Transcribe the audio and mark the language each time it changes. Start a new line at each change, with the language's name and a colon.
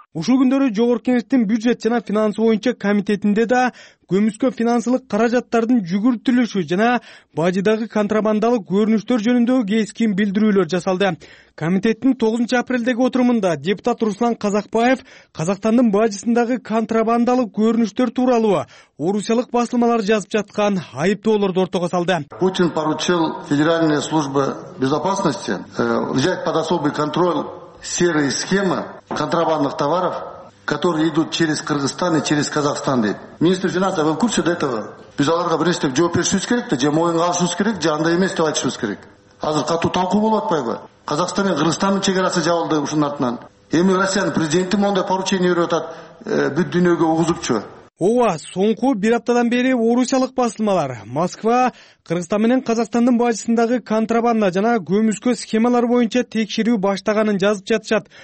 Kyrgyz: Ушул күндөрү Жогорку Кеңештин бюджет жана финансы боюнча комитетинде да көмүскө финансылык каражаттардын жүгүртүлүшү жана бажыдагы контрабандалык көрүнүштөр жөнүндөгү кескин билдирүүлөр жасалды. Комитеттин 9 апрелдеги отурумунда депутат Руслан Казакбаев Казакстандын бажысындагы контрабандалык көрүнүштөр тууралуу орусиялык басылмалар жазып жаткан айыптоолорду ортого салды.
Russian: Путин поручил Федеральной службе безопасности взять под особый контроль серые схемы контрабандных товаров, которые идут через Кыргызстан и через Казахстан. Министр финансов, вы в курсе до этого?
Kyrgyz: Без аларга бириштип жооп беришибиз керек, же моюнга алышыбыз керек, же андай эмес деп айтышыбыз керек. Азыр катуу талкуу болуп атпайбы? Казахстан менен Кыргызстандын чекарасы жабылды ушунун артынан. Эми Россиянын президенти мондай поручение берип атат, бүт дүйнөгө угузупчу. Ооба, соңку бир аптадан бери орусиялык басылмалар Москва Кыргызстан менен Казакстандын бажысындагы контрабанда жана көмүскө схемалар боюнча текшерүү баштаганын жазып жатышат.